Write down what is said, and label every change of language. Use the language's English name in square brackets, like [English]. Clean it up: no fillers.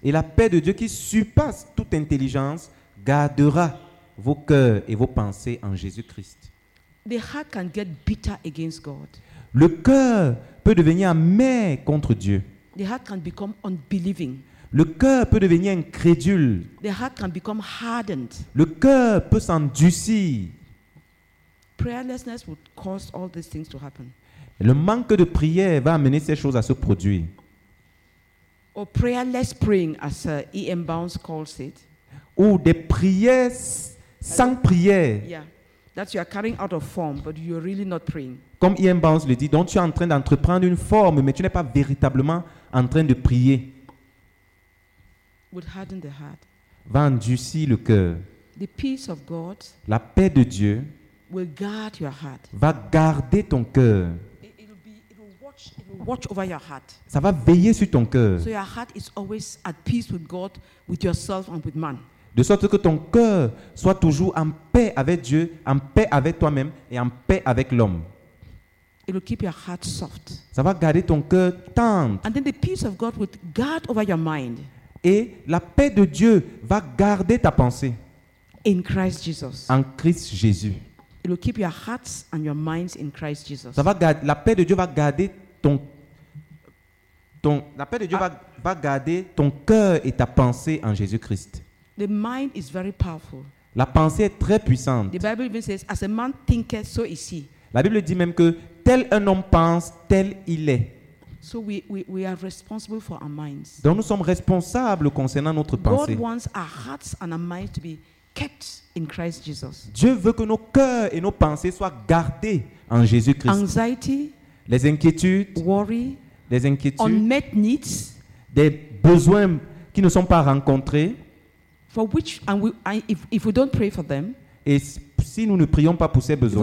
[French] Et la paix de Dieu qui surpasse toute intelligence gardera vos cœurs et vos pensées en Jésus-Christ. [English] The heart can get bitter against God. [French] Le cœur peut devenir amer contre Dieu. [English] The heart can become unbelieving. [French] Le cœur peut devenir incrédule. [English] The heart can become hardened. [French] Le cœur peut s'endurcir. [English] Prayerlessness would cause all these things to happen. [French] Le manque de prière va amener ces choses à se produire. [English] Or prayerless praying, as Sir E.M. Bounds calls it. [French] Ou des prières sans prière. [English] Yeah, that you are carrying out of form, but you are really not praying. [French] Comme E.M. Bounds le dit, donc tu es en train d'entreprendre une forme, mais tu n'es pas véritablement en train de prier. [English] Would harden the heart. [French] Va endurcir le cœur. [English] The peace of God, [French] la paix de Dieu, [English] will guard your heart. [French] Va garder ton cœur. [English] It will watch over your heart. [French] Ça va veiller sur ton cœur. [English] So your heart is always at peace with God, with yourself and with man. [French] De sorte que ton cœur soit toujours en paix avec Dieu, en paix avec toi-même et en paix avec l'homme. [English] It will keep your heart soft. [French] Ça va garder ton cœur tendre. [English] And then the peace of God will guard over your mind. [French] Et la paix de Dieu va garder ta pensée. [English] In Christ Jesus. [French] En Christ Jésus. [English] It will keep your hearts and your minds in Christ Jesus. [French] Ça va garder, la paix de Dieu va garder ton la paix de Dieu va garder ton cœur et ta pensée en Jésus-Christ. [English] The mind is very powerful. [French] La pensée est très puissante. [English] The Bible even says, as a man thinketh, so is he. [French] La Bible dit même que tel un homme pense, tel il est. [English] So we are responsible for our minds. [French] Donc nous sommes responsables concernant notre pensée. [English] God wants our hearts and our minds to be kept in Christ Jesus. [French] Dieu veut que nos cœurs et nos pensées soient gardés en Jésus-Christ. [English] Anxiety, [French] les inquiétudes, [English] worry, [French] les inquiétudes, [English] unmet needs, [French] des besoins qui ne sont pas rencontrés. [English] For which and we if we don't pray for them. [French] Et si nous ne prions pas pour ces besoins,